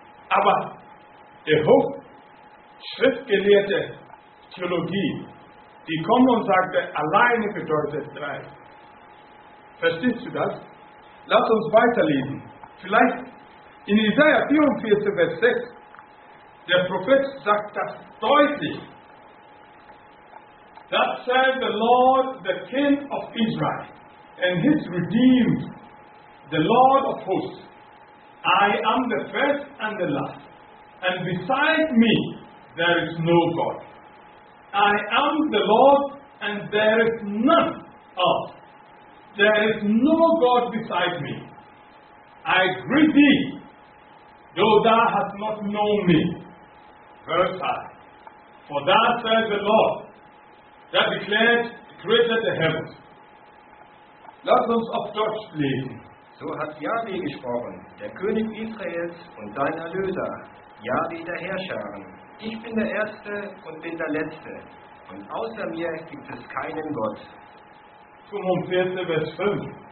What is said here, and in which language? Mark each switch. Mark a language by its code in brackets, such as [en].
[de] Aber der hochschriftgelehrte Theologie, die kommt und sagt, alleine bedeutet drei. Verstehst du das? Lass uns weiterlesen. Vielleicht in Jesaja 44, Vers 6, der Prophet sagt das deutlich. [en] That said the Lord, the King of Israel, and his redeemed, the Lord of hosts, I am the first and the last, and beside me there is no God. I am the Lord, and there is none else. There is no God beside me. I greet thee, though thou hast not known me. Verse 5. For thou said the Lord, that declared, created the heavens. [de] Lass uns auf Deutsch lesen. So hat Yahweh gesprochen, der König Israels und dein Erlöser, Yahweh der Herrscher. Ich bin der Erste und bin der Letzte. Und außer mir gibt es keinen Gott. 45, Vers 5.